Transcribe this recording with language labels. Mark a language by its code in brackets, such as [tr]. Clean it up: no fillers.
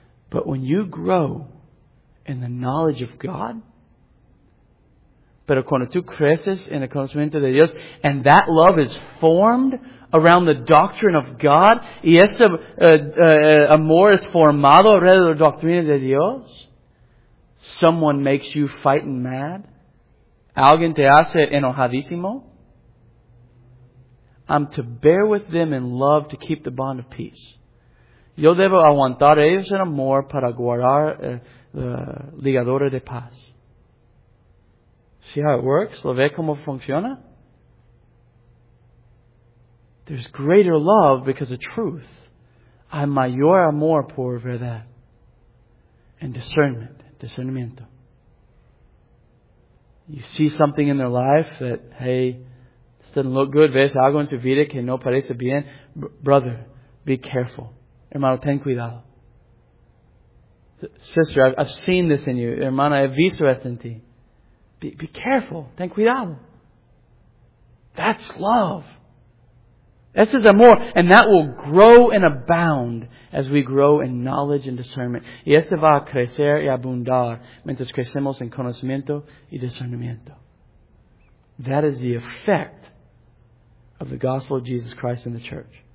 [en] But when you grow in the knowledge of God, [es] pero cuando tú creces en el conocimiento de Dios, [en] and that love is formed around the doctrine of God, [es] y ese amor es formado alrededor de la doctrina de Dios, [en] someone makes you fighting mad. [es] Alguien te hace enojadísimo. [en] I'm to bear with them in love to keep the bond of peace. [es] Yo debo aguantar a ellos en amor para guardar la ligadura de paz. [en] See how it works? [es] ¿Lo ve cómo funciona? [en] There's greater love because of truth. [es] Hay mayor amor por verdad. [en] And discernment. Discernimiento. You see something in their life that, hey, this doesn't look good. [es] ¿Ves algo en su vida que no parece bien? [en] Brother, be careful. [es] Hermano, ten cuidado. [en] Sister, I've seen this in you. [es] Hermana, he visto esto en ti. [en] Be careful. [es] Ten cuidado. [en] That's love. This is amor, and that will grow and abound as we grow in knowledge and discernment. [es] Y este va a crecer y abundar mientras crecemos en conocimiento y discernimiento. [en] That is the effect of the gospel of Jesus Christ in the church.